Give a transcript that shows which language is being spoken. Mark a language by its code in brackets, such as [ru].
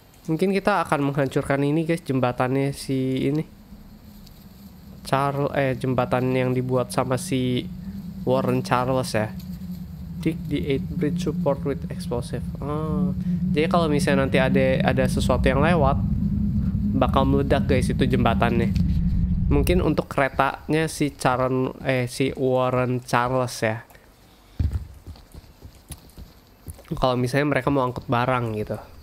[id] Mungkin kita akan menghancurkan ini guys, jembatannya si ini Charles, jembatan yang dibuat sama si Warren Charles ya. [en] Dig the 8 bridge support with explosive. [id] Jadi kalau misalnya nanti ada sesuatu yang lewat, bakal meledak guys itu jembatannya. Mungkin untuk keretanya si Charles, si Warren Charles ya. Kalau misalnya mereka mau angkut barang gitu.